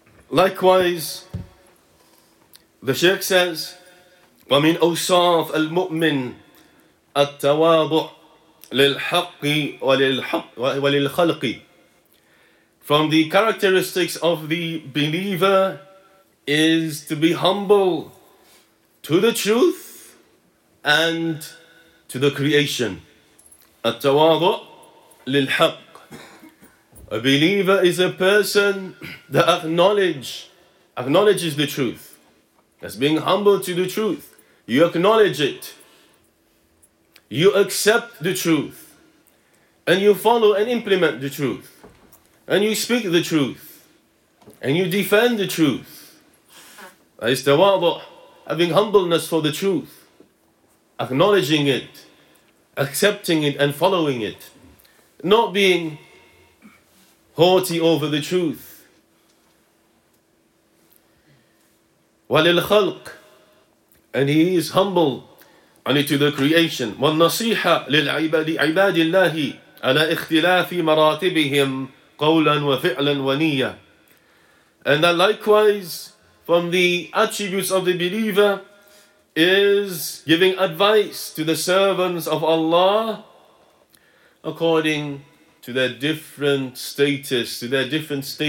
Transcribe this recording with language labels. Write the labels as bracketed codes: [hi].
[en] Likewise, the Shaykh says, [ar] وَمِنْ أَوْصَافِ الْمُؤْمِنِ التَّوَاضُعُ لِلْحَقِّ وَلِلْخَلْقِ. [en] From the characteristics of the believer is to be humble to the truth and to the creation. [ar] التَّوَاضُعُ لِلْحَقِّ. [en] A believer is a person that acknowledges the truth. That's being humble to the truth. You acknowledge it. You accept the truth. And you follow and implement the truth. And you speak the truth. And you defend the truth. That is tawadhu, having humbleness for the truth. Acknowledging it. Accepting it and following it. Not being haughty over the truth. [ar] وللخلق, [en] and he is humble and to the creation. [ar] والنصيحة لعباد الله على اختلاف مراتبهم قولا وفعلا ونية. [en] And that likewise, from the attributes of the believer, is giving advice to the servants of Allah according to their different status, their different